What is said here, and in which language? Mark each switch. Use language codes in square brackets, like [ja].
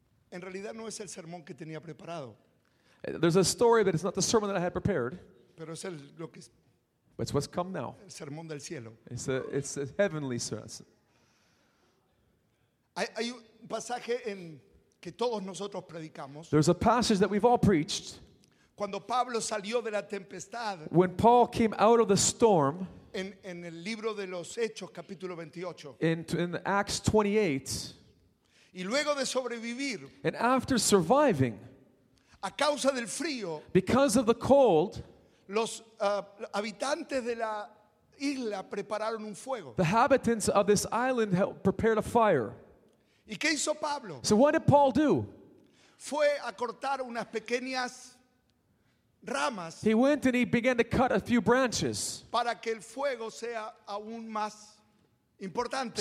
[es] En realidad no es el sermón que tenía preparado. [en] There's a story, but it's not the sermon that I had prepared. [es] Pero es el, lo que, [en] but it's what's come now. [es] El sermón del cielo. [en] It's a heavenly sermon. [es] Hay un pasaje en que todos nosotros predicamos. [en] There's a passage that we've all preached. [es] Cuando Pablo salió de la tempestad. [en] When Paul came out of the storm. [es] En el libro de los Hechos, capítulo [en] 28. In Acts 28. [es] Y luego de sobrevivir. [en] And after surviving. [es] A causa del frío. [en] Because of the cold. [es] Los habitantes de la isla prepararon un fuego. [en] The inhabitants of this island prepared a fire. [es] ¿Y qué hizo Pablo? [en] So what did Paul do? [es] Fue a cortar unas pequeñas ramas. [en] He went and he began to cut a few branches. [es] Para que el fuego sea aún más importante.